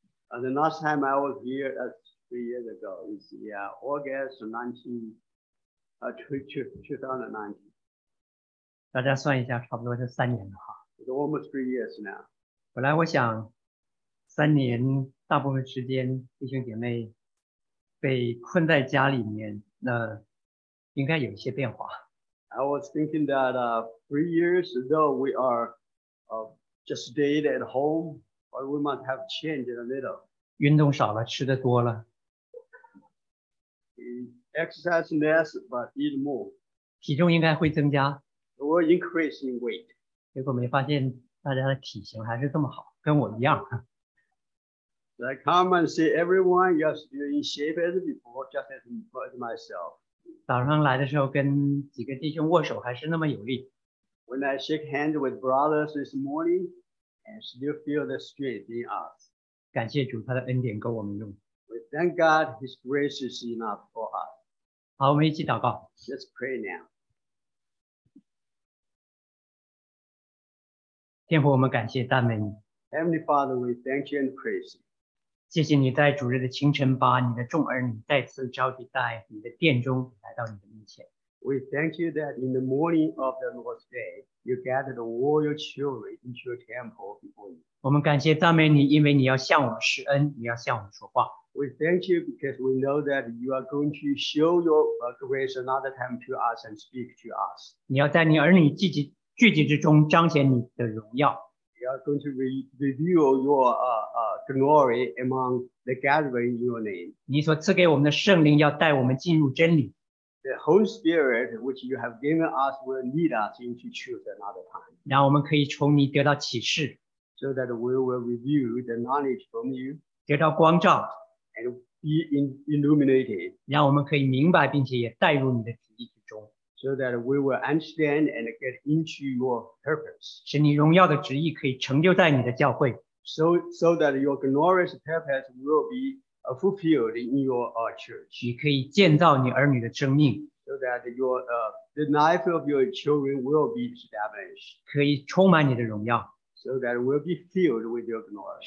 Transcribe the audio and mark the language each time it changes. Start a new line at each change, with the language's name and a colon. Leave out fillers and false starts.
English: The last time I was here, that's 3 years ago, is August 2019.
Chinese: 大家算一下，差不多是3年了哈。
English: It's almost 3 years now.
Chinese: 本来我想，3年大部分时间弟兄姐妹被困在家里面，那应该有一些变化。
English: I was thinking that3 years, though we are just stayed at home, but we must have changed a little.
Chinese: 运动少了，吃的多了。
English: Exercise less, but eat more.
Chinese: 体重应该会增加。
English: We're increasing weight.
Chinese: 结果没发现大家的体型还是这么好，跟我一样。
English: I come and see everyone, you're still in shape as before, just as myself.
Chinese: 早上来的时候跟几个弟兄握手还是那么有力。
English: When I shake hands with brothers this morning, I still feel the strength in us.
Chinese: 感谢主，他的恩典够我们用。
English: We thank God, His grace is enough for us.
Chinese: 好，我们一起祷告。
English: Let's pray now.
Chinese: 天父，我们感谢赞美你。
English: Heavenly Father, we thank you and praise you.
Chinese: 谢谢你在主日的清晨把你的众儿女再次召集在你的殿中，来到你的面前。
English: We thank you that in the morning of the Lord's day, you gathered all your children into your temple before you.
Chinese: 我们感谢赞美你，因为你要向我们施恩，你要向我们说话。
English: We thank you because we know that you are going to show your grace another time to us and speak to us.
Chinese: 你要在你儿女聚集之中彰显你的荣耀。
English: You are going to reveal your glory among the gathering in your name.
Chinese: 你所赐给我们的圣灵要带我们进入真理。
English: The Holy Spirit, which you have given us, will lead us into truth another time.
Chinese: 让我们可以从你得到启示。
English: So that we will review the knowledge from you.
Chinese: 得到光照。
English: And be illuminated.
Chinese: 让我们可以明白并且也带入你的旨意之中。
English: So that we will understand and get into your purpose.
Chinese: 使你荣耀的旨意可以成就在你的教会。
English: So that your glorious purpose will be fulfilled in your church.
Chinese: 你可以建造你儿女的生命。
English: So that the life of your children will be established.
Chinese: 可以充满你的荣耀。
English: So that we'll be filled with your glory.